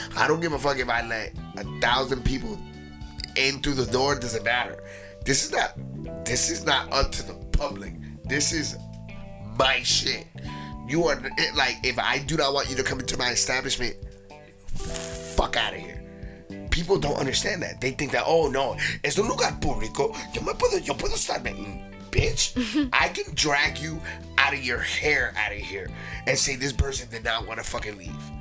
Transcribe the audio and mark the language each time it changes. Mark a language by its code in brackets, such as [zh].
[en] I don't give a fuck if I let 1,000 people in through the door. It doesn't matter. This is not up to the public. This is my shit. You are, like, if I do not want you to come into my establishment, fuck out of here. People don't understand that. They think that, oh, no, [es] es un lugar público. Yo puedo estar metiendo, bitch. [en] I can drag you out of your hair out of here and say this person did not want to fucking leave.